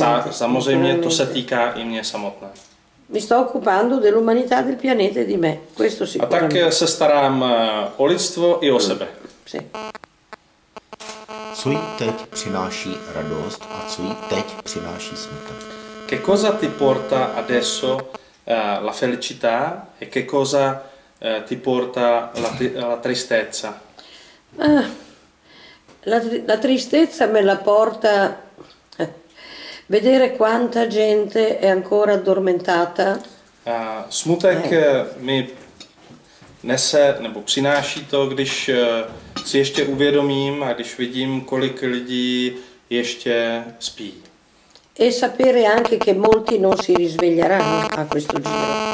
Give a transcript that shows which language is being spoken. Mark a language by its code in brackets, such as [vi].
[cs] Samozřejmě to se týká i mě samotné. [it] Mi sto occupando dell'umanità del pianeta e di me. Questo sicuramente. [cs] A tak se starám o lidstvo i o sebe. [it] Sì. [cs] Co jí teď přináší radost a co jí teď přináší smutek? [it] Che cosa ti porta adesso la felicità e che cosa ti porta la tristezza? La tristezza me la porta vedere quanta gente è ancora addormentata. [cs] Smutek mi nese nebo přináší to, když si ještě uvědomím a když vidím, kolik lidí ještě spí. [it] E sapere anche che molti non si risveglieranno a questo giro.